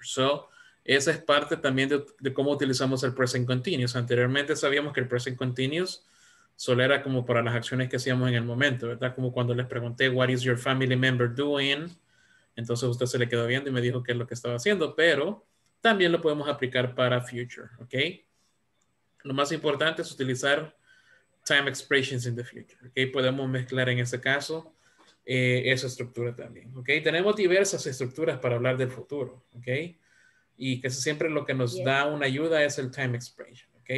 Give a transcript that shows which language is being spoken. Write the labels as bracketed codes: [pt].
[es] So esa es parte también de cómo utilizamos el present continuous. Anteriormente sabíamos que el present continuous solo era como para las acciones que hacíamos en el momento, ¿verdad? Como cuando les pregunté, [en] what is your family member doing? [es] Entonces usted se le quedó viendo y me dijo qué es lo que estaba haciendo, pero también lo podemos aplicar para future, ¿ok? Lo más importante es utilizar [en] time expressions in the future, [es] ¿ok? Podemos mezclar en ese caso esa estructura también, ¿ok? Tenemos diversas estructuras para hablar del futuro, ¿ok? Y casi siempre lo que nos da una ayuda es el time expression, ¿ok?